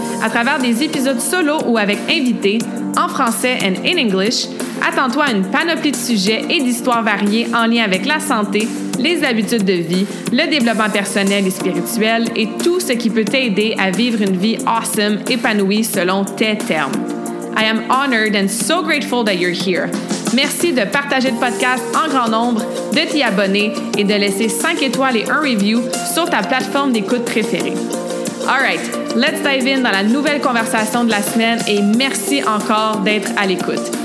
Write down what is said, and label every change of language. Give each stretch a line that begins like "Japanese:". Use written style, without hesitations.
French: À travers des épisodes solo ou avec invités, en français
English: and in English,
French: attends-toi à une panoplie de sujets et d'histoires variées en lien avec la santé, les habitudes de vie, le développement personnel et spirituel et tout ce qui peut t'aider à vivre une vie awesome, épanouie selon tes termes.
English: I am honored and so grateful that you're here.
French: Merci de partager le podcast en grand nombre, de t'y abonner et de laisser 5 étoiles et un review sur ta plateforme d'écoute préférée.
English: All right, let's dive in
French: dans la nouvelle conversation de la semaine et merci encore d'être à l'écoute.